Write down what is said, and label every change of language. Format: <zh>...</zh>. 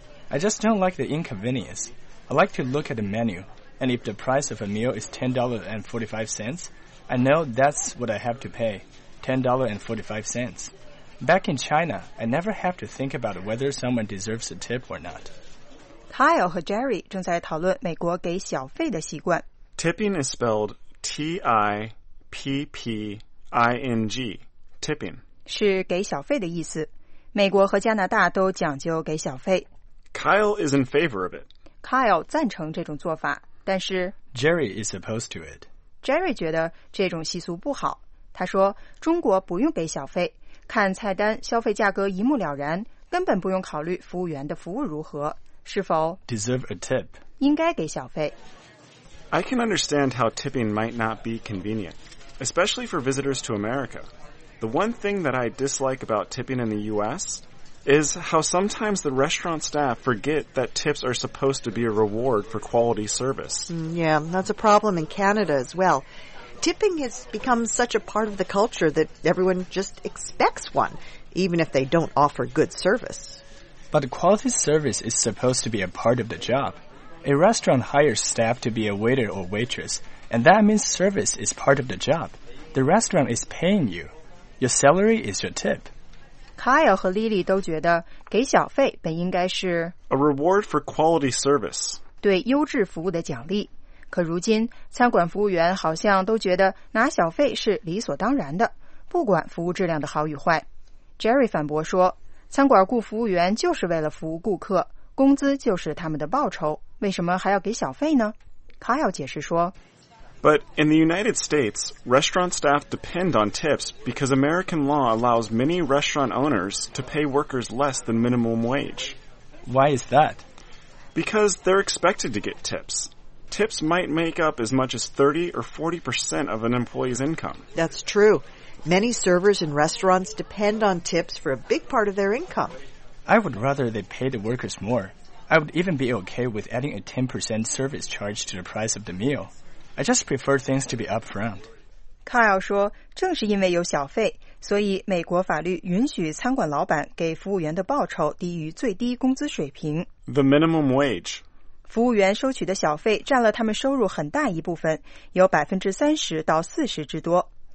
<en>I just don't like the inconvenience. I like to look at the menu, and if the price of a meal is $10.45, I know that's what I have to pay, $10.45. Back in China, I never have to think about whether someone deserves a tip or not.</en> <zh>Kyle 和 Jerry 正在讨论美国给小费的习惯。</zh> <en>Tipping is spelled T-I-P-P-I-N-G, tipping.</en> <zh>是给小费的意思。美国和加拿大都讲究给小费。</zh> <en>Kyle is in favor of it.</en> <zh>Kyle 赞成这种做法，但是 Jerry is opposed to it. Jerry 觉得这种习俗不好。他说，中国不用给小费，看菜单消费价格一目了然，根本不用考虑服务员的服务如何，是否</zh> <en>deserve a tip.</en> <zh>应该给小费。</zh> <en>I can understand how tipping might not be convenient, especially for visitors to America. The one thing that I dislike about tipping in the U.S. is how sometimes the restaurant staff forget that tips are supposed to be a reward for quality service. Yeah, that's a problem in Canada as well. Tipping has become such a part of the culture that everyone just expects one, even if they don't offer good service. But quality service is supposed to be a part of the job. A restaurant hires staff to be a waiter or waitress, and that means service is part of the job. The restaurant is paying you. Your salary is your tip.</en> <zh>Kyle 和 Lily 都觉得给小费本应该是</zh> <en>a reward for quality service,</en> <zh>对优质服务的奖励。可如今餐馆服务员好像都觉得拿小费是理所当然的，不管服务质量的好与坏。 Jerry 反驳说，餐馆雇服务员就是为了服务顾客，工资就是他们的报酬，为什么还要给小费呢？ Kyle 解释说，</zh> <en>But in the United States, restaurant staff depend on tips because American law allows many restaurant owners to pay workers less than minimum wage. Why is that? Because they're expected to get tips. Tips might make up as much as 30 or 40% of an employee's income. That's true. Many servers in restaurants depend on tips for a big part of their income. I would rather they pay the workers more. I would even be okay with adding a 10% service charge to the price of the meal. I just prefer things to be upfront.</en> <zh>Kyle 说，正是因为有小费，所以美国法律允许餐馆老板给服务员的报酬低于最低工资水平。</zh> <en>The minimum wage.</en> <zh>服务员收取的小费占了他们收入很大一部分，有30%到40%之多。</zh>